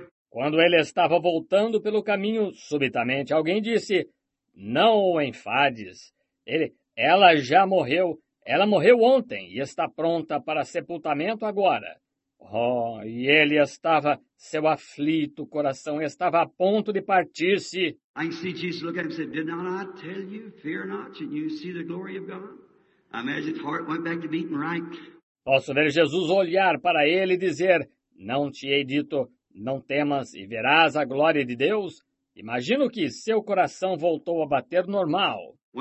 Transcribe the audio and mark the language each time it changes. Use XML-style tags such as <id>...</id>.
<pt>Quando ele estava voltando pelo caminho, subitamente alguém disse... Não o enfades. Ela já morreu. Ela morreu ontem e está pronta para sepultamento agora. Oh, e ele estava, seu aflito coração estava a ponto de partir-se.</pt> <en>I see Jesus look at him and say, did not I tell you, fear not, and you see the glory of God? I imagine his heart went back to beating right.</en> <pt>Posso ver Jesus olhar para ele e dizer, não te hei dito, não temas e verás a glória de Deus? Imagino que seu coração voltou a bater normal.</pt>